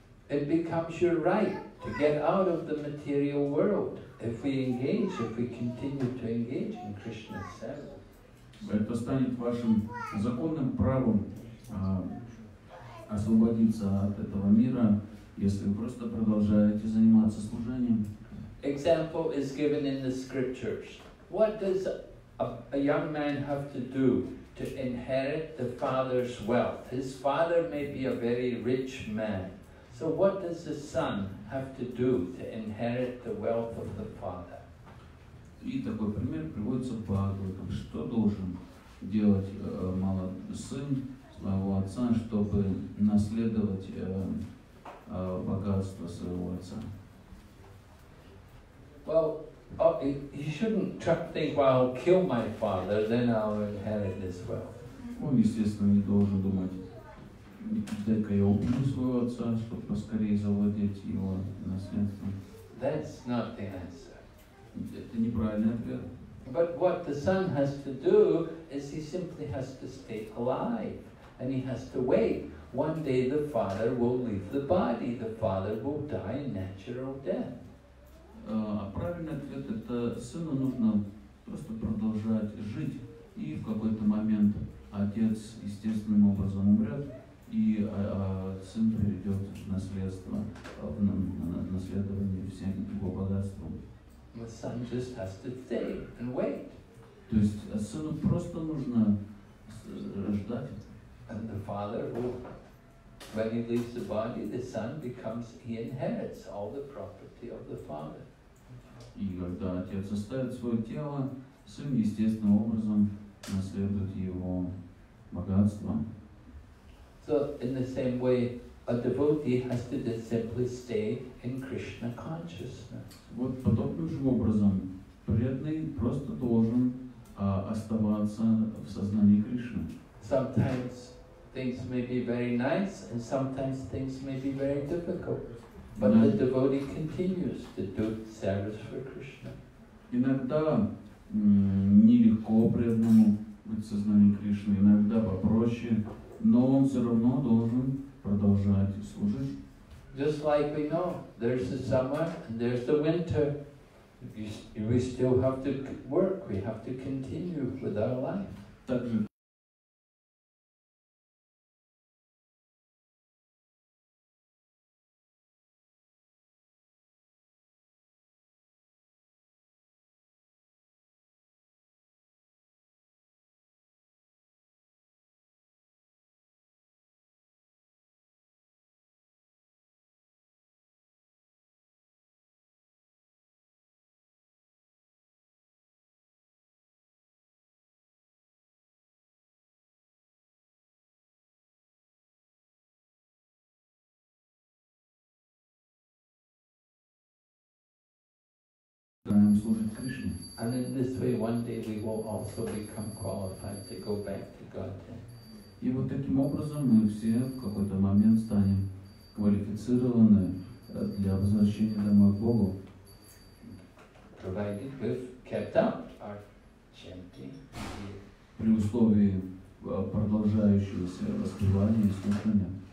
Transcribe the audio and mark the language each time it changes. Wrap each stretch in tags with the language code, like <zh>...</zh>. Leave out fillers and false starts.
<en>It becomes your right to get out of the material world if we engage, if we continue to engage in Krishna's service.</en> <ru>Это станет вашим законным правом освободиться от этого мира, если вы просто продолжаете заниматься служением.</ru> <en>Example is given in the scriptures. What does a young man have to do to inherit the father's wealth? His father may be a very rich man. So what does the son have to do to inherit the wealth of the father?</en> <ru>И такой пример приводится по Бхагаватам. Что должен делать сын своего отца, чтобы наследовать богатство своего отца.</ru> <en>Well, you shouldn't think, well, I'll kill my father, then I'll inherit as well.</en> <ru>Он, естественно, не должен думать, дай-ка я убью своего отца, чтобы поскорее завладеть его наследством.</ru> <en>That's not the answer.</en> <ru>Это неправильный ответ.</ru> <en>But what the son has to do is he simply has to stay alive, and he has to wait. One day the father will leave the body, the father will die a natural death.</en> <ru>А правильный ответ — это сыну нужно просто продолжать жить, и в какой-то момент отец естественным образом умрет, и сын перейдет в наследство, наследование всем его богатством.</ru> <en>The son just has to stay and wait.</en> <ru>То есть сыну просто нужно ждать.</ru> <en>And the father will, when he leaves the body, the son becomes, he inherits all the property of the father.</en> <ru>И когда отец оставит свое тело, сын естественным образом наследует его богатство.</ru> <en>So in the same way, a devotee has to just simply stay in Krishna consciousness.</en> <ru>Вот подобным же образом преданный просто должен оставаться в сознании Кришны.</ru> <en>Sometimes things may be very nice, and sometimes things may be very difficult. But the devotee continues to do service for Krishna.</en> <ru>Иногда нелегко преданному быть в сознании Кришны, иногда попроще, но он все равно должен продолжать служить.</ru> <en>Just like we know, there's the summer and there's the winter. We still have to work, we have to continue with our life. And in this way, one day we will also become qualified to go back to Godhead.</en> <ru>И вот таким образом мы все в какой-то момент станем квалифицированы для возвращения домой к Богу.</ru> <en>Provided we've kept up our chanting.</en> <ru>При условии продолжающегося воспевания и слушания.</ru>